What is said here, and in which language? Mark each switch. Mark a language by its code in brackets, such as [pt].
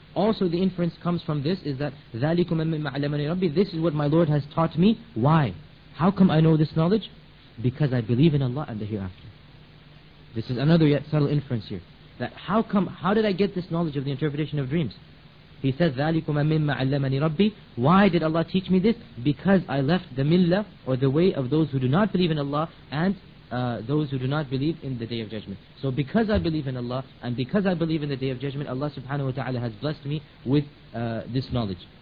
[en] Also, the inference comes from this is that [ar] ذَلِكُمَ مِمَّا عَلَّمَنِي رَبِّي. [en] This is what my Lord has taught me. Why? How come I know this knowledge? Because I believe in Allah and the hereafter. This is another yet subtle inference here. That how come? How did I get this knowledge of the interpretation of dreams? He says, [ar] ذَلِكُمَ مِمَّا عَلَّمَنِي رَبِّي. [en] Why did Allah teach me this? Because I left the millah, or the way of those who do not believe in Allah, and those who do not believe in the Day of Judgment. So because I believe in Allah, and because I believe in the Day of Judgment, Allah subhanahu wa ta'ala has blessed me with this knowledge.